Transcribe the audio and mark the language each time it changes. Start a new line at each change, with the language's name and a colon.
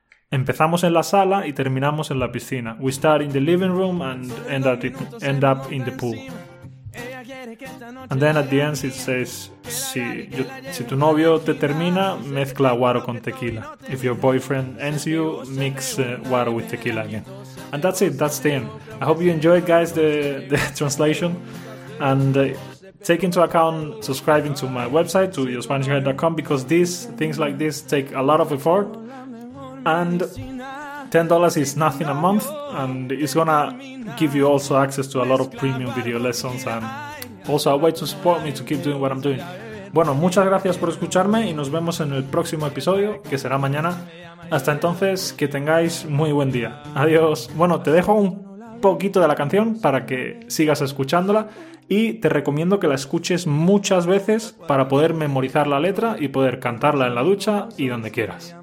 Spanish: Empezamos en la sala y terminamos en la piscina.
English: We start in the living room and end up in the pool. And then at the end it says,
Spanish: si tu novio te termina, mezcla guaro con tequila.
English: If your boyfriend ends you, mix guaro with tequila again. And that's it, that's the end. I hope you enjoyed, guys, the translation. And take into account subscribing to my website, to yourspanishguide.com, because these things like this take a lot of effort. And $10 is nothing a month, and it's gonna give you also access to a lot of premium video lessons and also a way to support me to keep doing what I'm doing.
Spanish: Bueno, muchas gracias por escucharme y nos vemos en el próximo episodio, que será mañana. Hasta entonces, que tengáis muy buen día. Adiós. Bueno, te dejo un poquito de la canción para que sigas escuchándola y te recomiendo que la escuches muchas veces para poder memorizar la letra y poder cantarla en la ducha y donde quieras.